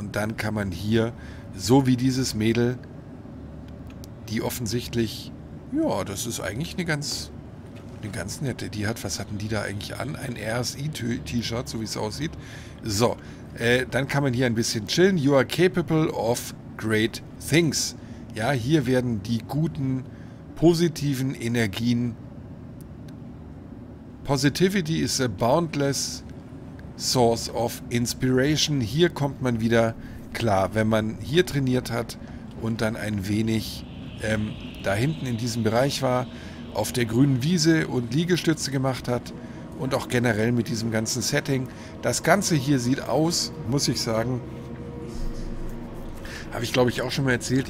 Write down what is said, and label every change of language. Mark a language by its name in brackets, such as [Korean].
[German] Und dann kann man hier, so wie dieses Mädel, die offensichtlich, ja, das ist eigentlich eine ganz nette, die hat, was hatten die da eigentlich an? Ein RSI-T-Shirt, so wie es aussieht. So, dann kann man hier ein bisschen chillen. [English] You are capable of great things. [German] Ja, hier werden die guten, positiven Energien. [English] Positivity is a boundless source of inspiration. [German] Hier kommt man wieder klar, wenn man hier trainiert hat und dann ein wenig da hinten in diesem Bereich war, auf der grünen Wiese und Liegestütze gemacht hat und auch generell mit diesem ganzen Setting. Das Ganze hier sieht aus, muss ich sagen, habe ich, glaube ich, auch schon mal erzählt.